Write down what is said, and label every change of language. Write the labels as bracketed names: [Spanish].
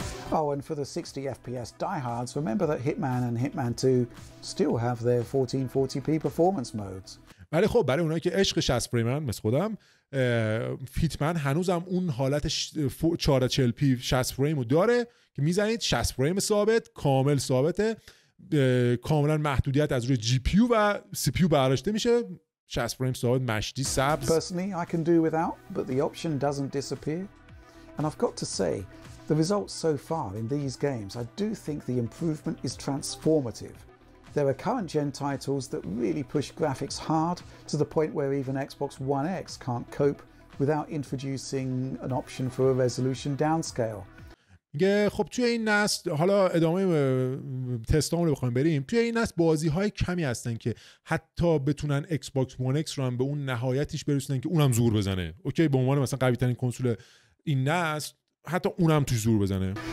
[English] Oh, and for the 60 FPS diehards, remember that Hitman and Hitman 2 still have their 1440p performance modes. [Persian] ولی خب برای اونایی که عشق 60 فریمن مثل خودم، هیتمن هنوزم اون حالت 1440p 60 فریم رو داره که می‌زنید 60 فریم ثابت، کامل ثابته. کاملا محدودیت از روی جی پی یو و سی پی یو برداشته میشه، 60 فریم ثابت مشتی سبز. [English] Personally, I can do without, but the option doesn't disappear. And I've got to say, the results so far in these games, I do think the improvement is transformative. There are current gen titles that really push graphics hard to the point where even Xbox One X can't cope without introducing an option for a resolution downscale. [Persian] میگه خب توی این نسل، حالا ادامه تستامون رو بخوایم بریم، توی این نسل بازی های کمی هستن که حتی بتونن ایکس باکس وان ایکس رو هم به اون نهایتش برسونن که اونم زور بزنه. اوکی، به عنوان مثلا قوی ترین کنسول این نسل حتی اونم توش زور بزنه.